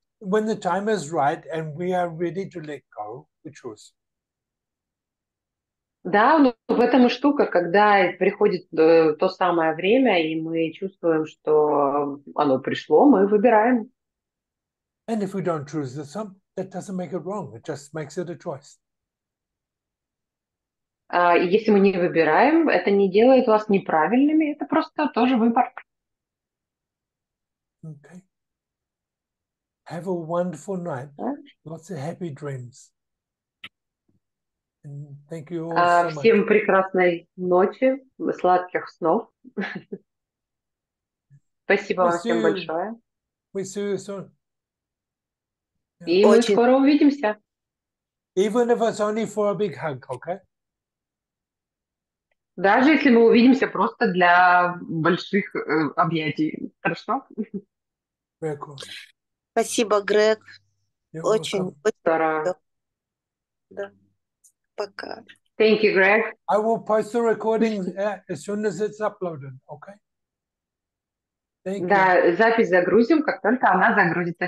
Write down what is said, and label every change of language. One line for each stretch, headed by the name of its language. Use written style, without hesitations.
English: When the time is right and we are ready to let go, we choose.
Russian: Да, но в этом и штука, когда приходит то самое время, и мы чувствуем, что оно пришло, мы выбираем.
English: And if we don't choose this one, that doesn't make it wrong. It just makes it a choice.
Russian: Если мы не выбираем, это не делает вас неправильными, это просто тоже выбор.
English: Okay. Have a wonderful night. Lots of happy dreams. And thank you all so much.
Russian: Всем прекрасной ночи, сладких снов. Спасибо вам всем большое.
English: We'll see you soon.
Russian: И мы скоро увидимся.
English: Even if it's only for a big hug, okay?
Russian: Даже если мы увидимся просто для больших объятий. Хорошо?
English: Very cool.
Russian: Спасибо, Грег.
English: You're
Russian: Очень,
English: welcome.
Russian: Сара. Да. Пока.
English: Thank you, Грег. I will post the recording as soon as it's uploaded, okay? Thank you.
Russian: Да, запись загрузим, как только она загрузится.